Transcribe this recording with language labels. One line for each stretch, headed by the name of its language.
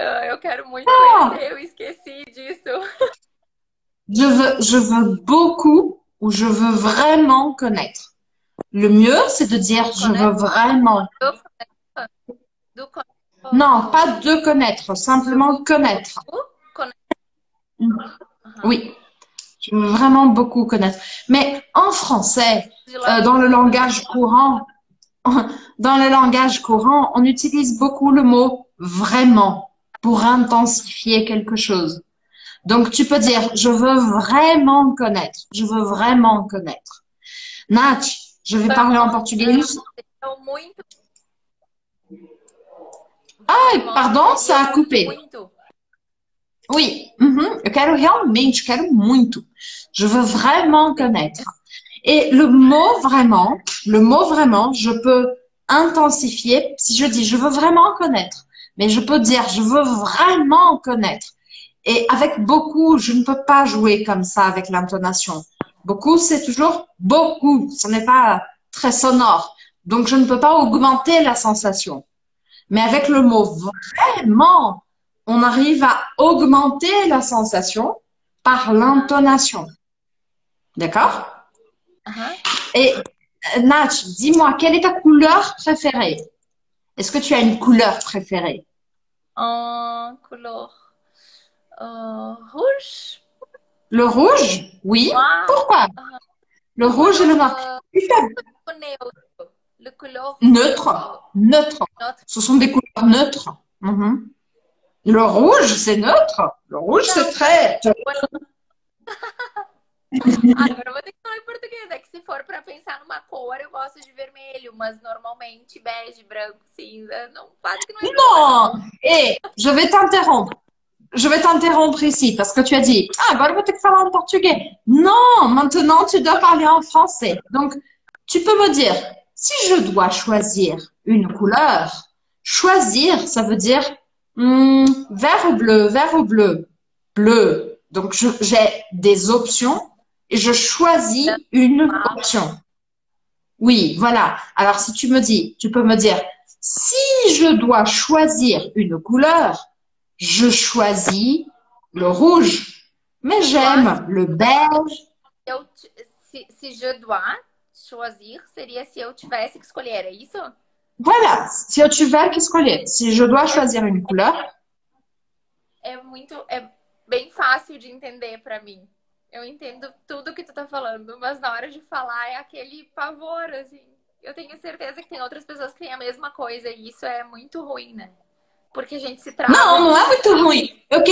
Portuguese: Eu quero muito conhecer, eu esqueci disso.
French: Je veux beaucoup ou je veux vraiment connaître. Le mieux, c'est de dire je veux vraiment. Non, pas de connaître, simplement connaître. Oui, je veux vraiment beaucoup connaître. Mais en français, dans le langage courant, dans le langage courant, on utilise beaucoup le mot vraiment pour intensifier quelque chose. Donc, tu peux dire, je veux vraiment connaître, je veux vraiment connaître. Nath, je vais parler en portugais.
Portuguese: Eu
French: Ah, pardon, ça a coupé.
Portuguese: muito. Oui, Eu quero realmente, quero muito.
French: Je veux vraiment connaître. Et le mot vraiment, je peux intensifier si je dis je veux vraiment connaître. Mais je peux dire je veux vraiment connaître. Et avec beaucoup, je ne peux pas jouer comme ça avec l'intonation. Beaucoup, c'est toujours beaucoup. Ce n'est pas très sonore. Donc, je ne peux pas augmenter la sensation. Mais avec le mot vraiment, on arrive à augmenter la sensation par l'intonation. D'accord? Et Natch, dis-moi, quelle est ta couleur préférée? Est-ce que tu as une couleur préférée? Un couleur rouge. Le rouge? Oui. Pourquoi? Le Le rouge et le couleur noir. Neutre, neutre. neutre. Ce sont des couleurs neutres. Le rouge, c'est neutre. Le rouge, c'est
Portuguese: Não,
French: très.
Portuguese: agora eu vou ter que falar em português. É que se for para pensar numa cor, eu gosto de vermelho, mas normalmente bege, branco, cinza. Não, quase que não é meu
French: Non! Et je vais t'interrompre. Je vais t'interrompre ici parce que tu as dit,
Portuguese: ah, agora vou ter que falar
French: en portugais. Non, maintenant tu dois parler en français. Donc, tu peux me dire, si je dois choisir une couleur, choisir, ça veut dire vert ou bleu, vert ou bleu, bleu. Donc, j'ai des options et je choisis une option. Oui, voilà. Alors, si tu me dis, tu peux me dire, si je dois choisir une couleur, je choisis le rouge, mais
Portuguese: Gosto.
French: j'aime le beige.
Portuguese: Eu
French: se je dois choisir,
Portuguese: seria se eu tivesse que escolher, é isso?
French: Voilà, si tu veux
Portuguese: que escolher,
French: si je dois choisir une couleur.
Portuguese: É bem fácil de entender para mim. Eu entendo tudo que tu tá falando, mas na hora de falar é aquele pavor, assim. Eu tenho certeza que tem outras pessoas que têm a mesma coisa e isso é muito ruim, né? Porque a gente se trava Não, não de. é muito ruim.